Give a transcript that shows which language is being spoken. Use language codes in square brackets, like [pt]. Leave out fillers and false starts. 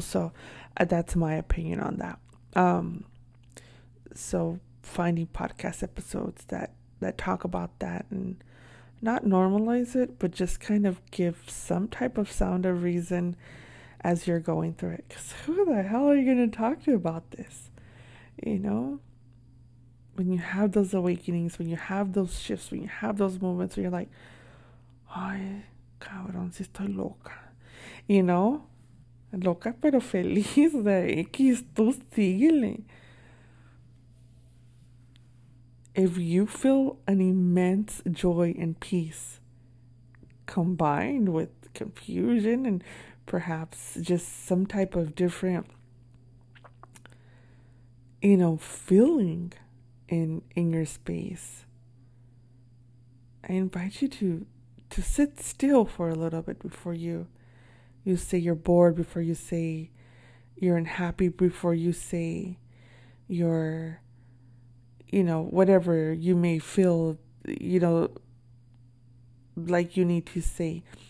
[en] So that's my opinion on that. So finding podcast episodes that talk about that and not normalize it, but just kind of give some type of sound of reason as you're going through it. Because who the hell are you going to talk to about this? You know, when you have those awakenings, when you have those shifts, when you have those moments where you're like, [es] ay, cabrón, si estoy loca. [en] You know? [es] Loca pero feliz de X, tú síguele. [en] If you feel an immense joy and peace combined with confusion and perhaps just some type of different, you know, feeling in your space, I invite you to sit still for a little bit before you say you're bored, before you say you're unhappy, before you say you're, you know, whatever you may feel, you know, like you need to say.